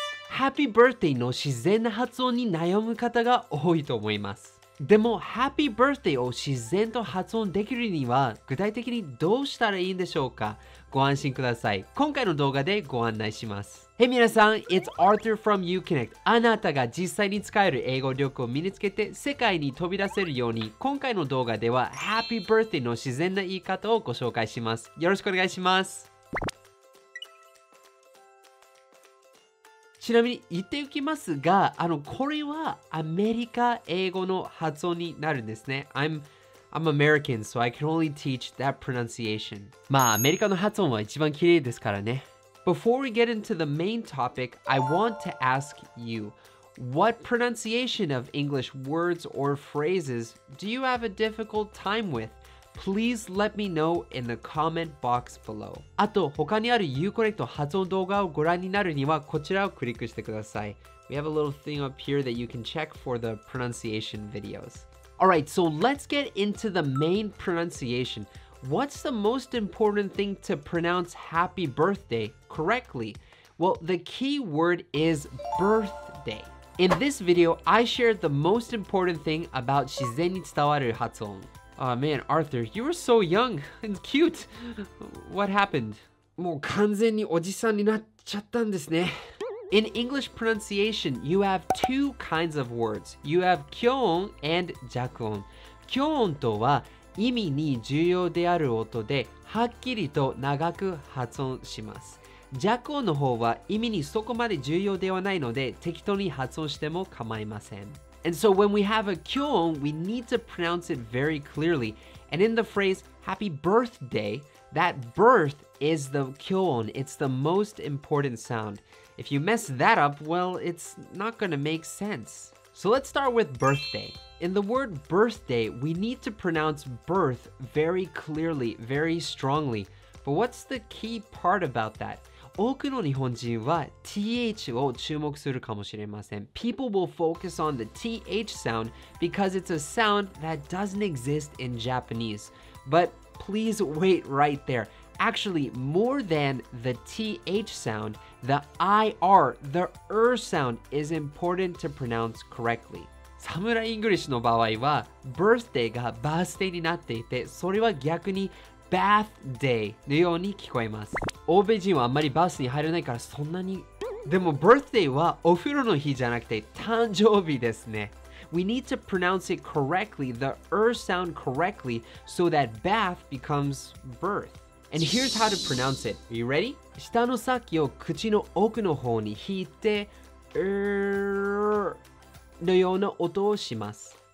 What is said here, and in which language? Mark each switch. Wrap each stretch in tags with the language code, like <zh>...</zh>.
<ja>Happy birthday の自然な発音に悩む方が多いと思います。でも、Happy birthday を自然と発音できるには、具体的にどうしたらいいんでしょうか？ご安心ください。今回の動画でご案内します。</ja> <en>Hey,</en> <ja>皆さん、</ja> <en>It's Arthur from UConnect.</en> <ja>あなたが実際に使える英語力を身につけて世界に飛び出せるように、今回の動画では Happy birthday の自然な言い方をご紹介します。よろしくお願いします。ちなみに言っておきますが、これはアメリカ英語の発音になるんですね。</ja> <en>I'm American, so I can only teach that pronunciation.</en> <ja>まあ、アメリカの発音は一番綺麗ですからね。</ja> <en>Before we get into the main topic, I want to ask you, what pronunciation of English words or phrases do you have a difficult time with? Please let me know in the comment box below.</en> <ja>あと、他にある UConnect 発音動画をご覧になるには、こちらをクリックしてください。</ja> <en>We have a little thing up here that you can check for the pronunciation videos. Alright, so let's get into the main pronunciation. What's the most important thing to pronounce happy birthday correctly? Well, the key word is birthday. In this video, I share the most important thing about</en> <ja>自然に伝わる発音.</ja> <en>Oh man, Arthur, you were so young and cute. What happened?</en> <ja>もう完全におじさんになっちゃったんですね。</ja> <en>In English pronunciation, you have two kinds of words. You have 気音 and 弱音。</en> <ja>気音とは意味に重要である音ではっきりと長く発音します。弱音の方は意味にそこまで重要ではないので適当に発音しても構いません。</ja> <en>And so when we have a 気音, we need to pronounce it very clearly. And in the phrase, happy birthday, that birth is the 気音. It's the most important sound. If you mess that up, well, it's not gonna make sense. So let's start with birthday. In the word birthday, we need to pronounce birth very clearly, very strongly. But what's the key part about that?</en> <ja>多くの日本人は TH を注目するかもしれません。</ja> <en>People will focus on the TH sound because it's a sound that doesn't exist in Japanese. But please wait right there. Actually, more than the TH sound, the IR, the R sound, is important to pronounce correctly.</en> <ja>サムライイングリッシュの場合は、birthday がバースデーになっていて、それは逆に bath day のように聞こえます。欧米人はあんまりバースに入れないからそんなに。でも birthday はお風呂の日じゃなくて誕生日ですね。</ja> <en>We need to pronounce it correctly, the R sound correctly, so that bath becomes birth. And here's how to pronounce it. Are you ready?</en> <ja>下の先を口の奥の方に引いて、のような音をします。</ja>